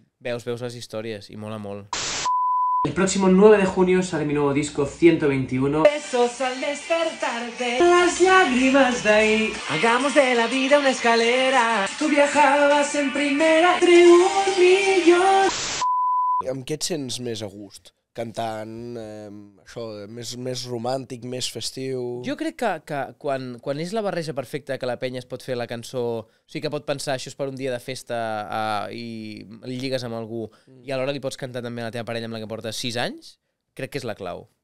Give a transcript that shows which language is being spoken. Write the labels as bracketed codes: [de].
[ca] Veus les històries i mola molt. [es] El próximo 9 de junio sale mi nuevo disco 121. Besos al despertarte, las lágrimas de ahí. Hagamos de la vida una escalera. Tú viajabas en primera, triunfillos. [ca] Amb què et sents més a gust? Cantant, això, més romàntic, més festiu... Jo crec que quan és la barreja perfecta que la penya es pot fer la cançó... O sigui, que pot pensar, això és per un dia de festa i li lligues amb algú i alhora li pots cantar també a la teva parella amb la que portes 6 anys, crec que és la clau.